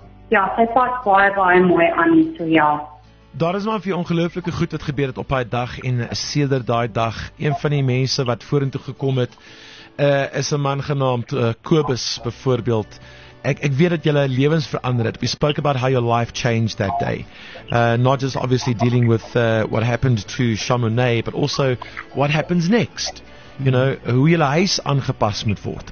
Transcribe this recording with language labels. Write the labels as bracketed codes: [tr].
[af] Ja, sy pas baie, baie mooi aan, so ja. Daar is maar vir ongelooflike goed wat gebeur het op die dag en sedert daai dag. Een van die mense wat vorentoe gekom het, is 'n man genaamd Kobus byvoorbeeld. Ek weet dat julle lewens verander het. [en] We spoke about how your life changed that day. Not just obviously dealing with what happened to Chamonix, but also what happens next. You know, [af] hoe julle huis aangepas moet word.